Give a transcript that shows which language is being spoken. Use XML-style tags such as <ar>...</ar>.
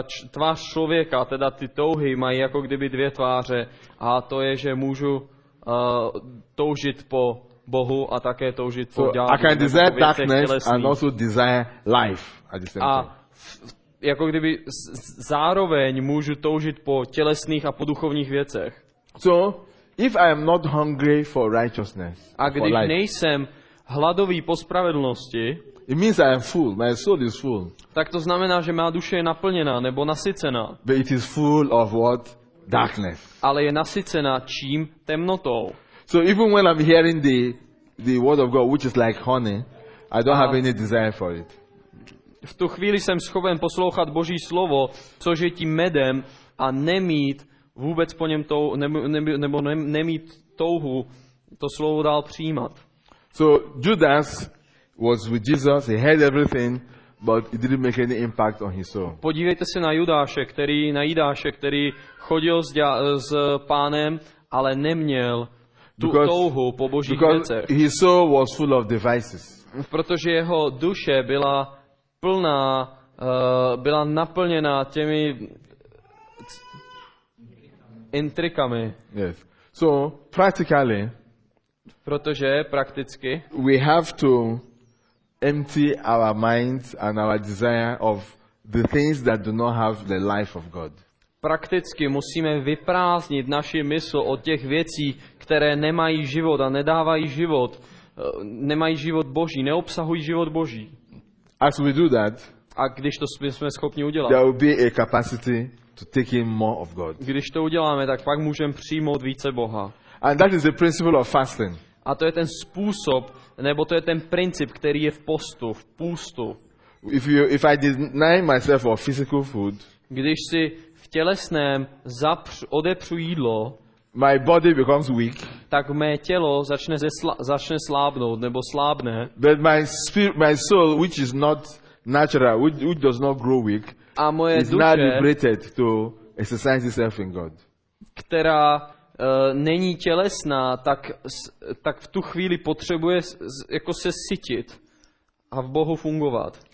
<cs>Tvář člověka, teda ty touhy mají jako kdyby dvě tváře, a to je, že můžu toužit po Bohu a také toužit po ďáblu.</cs> <en>I can desire darkness and also desire life at the same time.</en> <cs>A jako kdyby zároveň můžu toužit po tělesných a po duchovních věcech.</cs> <en>So, if I am not hungry for righteousness,</en> <cs>a když nejsem hladový po spravedlnosti,</cs> <en>it means I am full. My soul is full.</en> <cs>Tak to znamená, že má duše je naplněná nebo nasycená.</cs> <en>But it is full of what? Darkness.</en> <cs>Ale je nasycená čím? Temnotou.</cs> <en>So even when I'm hearing the word of God, which is like honey, I don't have any desire for it.</en> <cs>V tu chvíli jsem schopen poslouchat Boží slovo, což je tím medem, a nemít vůbec po něm touhu, nemít touhu to slovo dál přijímat.</cs> <en>So Judas was with Jesus, he heard everything, but it didn't make any impact on his soul.</en> <cs>Podívejte se na Judáše, který chodil s pánem, ale neměl tu touhu po božích věcech.</cs> <en>Because his soul was full of devices.</en> <cs>Protože jeho duše byla plná, byla naplněna těmi intrikami.</cs> <en>Yes. So practically,</en> <cs>protože prakticky,</cs> <en>we have to empty our minds and our desire of the things that do not have the life of God.</en> <cs>Prakticky musíme vyprázdnit naši mysl od těch věcí, které nemají život a nedávají život, nemají život Boží, neobsahují život Boží.</cs> <en>As we do that,</en> <cs>a když to jsme schopni udělat,</cs> <en>there will be a capacity to take in more of God.</en> <cs>Když to uděláme, tak pak můžeme přijmout více Boha.</cs> <en>And that is the principle of fasting.</en> <cs>A to je ten způsob nebo to je ten princip, který je v postu, v půstu.</cs> <en>If I deny myself of physical food,</en> <cs>když si v tělesném odepřu jídlo,</cs> <en>my body becomes weak.</en> <cs>Tak mé tělo začne slábnout nebo slábne.</cs> <en>But my spirit, my soul, which is not natural, which does not grow weak,</en> <cs>a moje</cs> <en>is</en> <cs>duše,</cs> <en>not liberated to exercise itself in God.</en> <cs>Která není tělesná, tak v tu chvíli potřebuje jako se sytit a v Bohu fungovat.</cs>